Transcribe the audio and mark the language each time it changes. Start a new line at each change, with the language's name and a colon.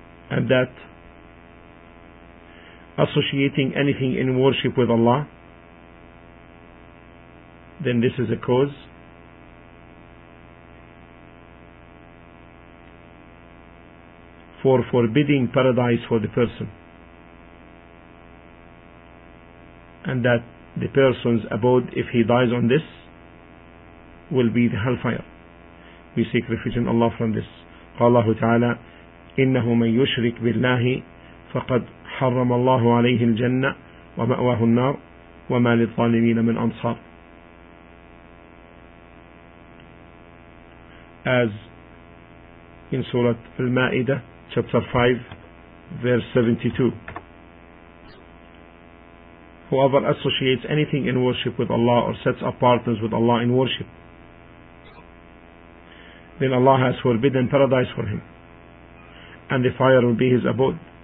English: And that associating anything in worship with Allah, then this is a cause for forbidding paradise for the person, and that the person's abode, if he dies on this, will be the hellfire. We seek refuge in Allah from this.
Arabic: قال الله تعالى إنه من يشرك بالله فقد حرم الله عليه الجنة ومأواه النار وما للظالمين من أنصار.
English: As in Surah Al-Ma'idah, chapter 5, verse 72, whoever associates anything in worship with Allah or sets up partners with Allah in worship, then Allah has forbidden paradise for him, and the fire will be his abode.